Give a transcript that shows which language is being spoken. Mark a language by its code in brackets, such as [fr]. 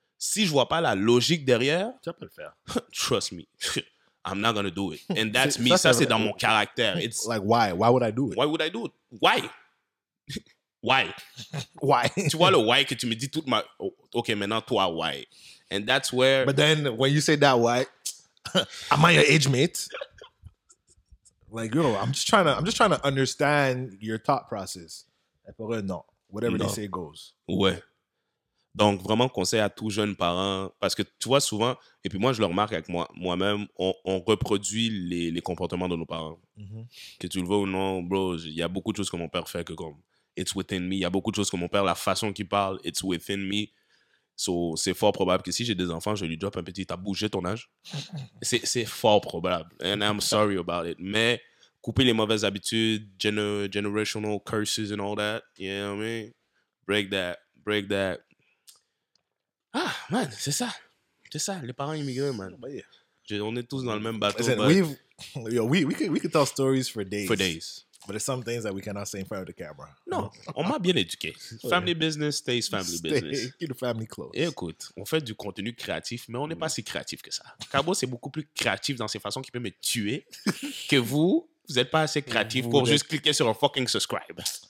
[fr] Si je vois pas la logique derrière, tu peux le faire. [en] Trust me, I'm not gonna do it. And that's me. [fr] Ça c'est dans mon caractère. [en] It's like why? Why would I do it? Why would I do it? Why? Why? Why? [fr] Tu vois le why que tu me dis toute ma. Ok, maintenant toi [en] why? And that's where. But then when you say that why, am I your age mate? Like, yo, I'm just trying to understand your thought process. [fr] Et pour eux, non. [en] Whatever non. They say goes. [fr] Ouais. Donc, vraiment, conseil à tout jeune parent, parce que tu vois souvent, et puis moi, je le remarque avec moi-même, on reproduit les comportements de nos parents. Mm-hmm. Que tu le vois ou non, bro, il y a beaucoup de choses que mon père fait que comme, [en] it's within me. [fr] Il y a beaucoup de choses que mon père, la façon qu'il parle, it's within me. So, c'est fort probable que si j'ai des enfants, je lui drop un petit « t'as bougé ton âge ». C'est fort probable. [en] And I'm sorry about it. [fr] Mais couper les mauvaises habitudes, [en] generational curses and all that, you know what I mean? Break that. [fr] Ah, man, c'est ça. C'est ça, les parents immigrés, man. On est tous dans le même bateau. [en] Listen, we could tell stories for days. For days. But there's some things that we cannot say in front of the camera. [fr] Non, on m'a bien éduqué. [en] Family business stays family business. Keep the family close. [fr] Et écoute, on fait du contenu créatif, mais on n'est pas si créatif que ça. Cabo, c'est beaucoup plus créatif dans ses façons qui peut me tuer que vous. Vous n'êtes pas assez créatif pour juste cliquer sur un fucking subscribe.